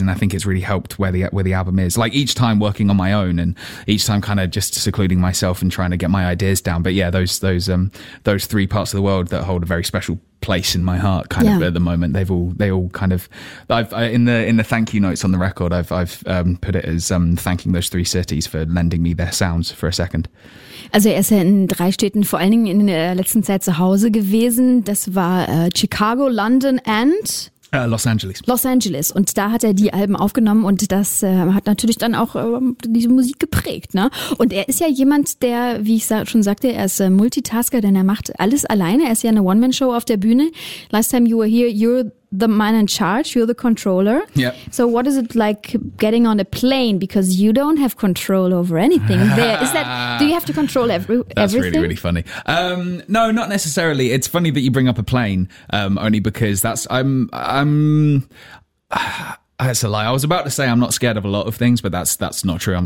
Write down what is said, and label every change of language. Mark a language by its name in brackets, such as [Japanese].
[English] And I think it's really helped where the album is. Like each time working on my own and each time kind of just secluding myself and trying to get my ideas down. But yeah, those three parts of the world that hold a very special place in my heart kind of at the moment, in the thank you notes on the record, I've put it as thanking those three cities for lending me their sounds for a second. [German] Also er ist ja in drei Städten vor allen Dingen in der letzten Zeit zu Hause gewesen. Das war Chicago, London and Los Angeles. Los Angeles. Und da hat er die Alben aufgenommen und das hat natürlich dann auch diese Musik geprägt. Ne? Und er ist ja jemand, der, wie ich schon sagte, er ist Multitasker, denn er macht alles alleine. Er ist ja eine One-Man-Show auf der Bühne. [English] Last time you were here, you're the man in charge, you're the controller. Yeah. So what is it like getting on a plane? Because you don't have control over anything there. Do you have to control everything? That's really, really funny. No, not necessarily. It's funny that you bring up a plane, only because that's a lie. I was about to say I'm not scared of a lot of things, but that's not true.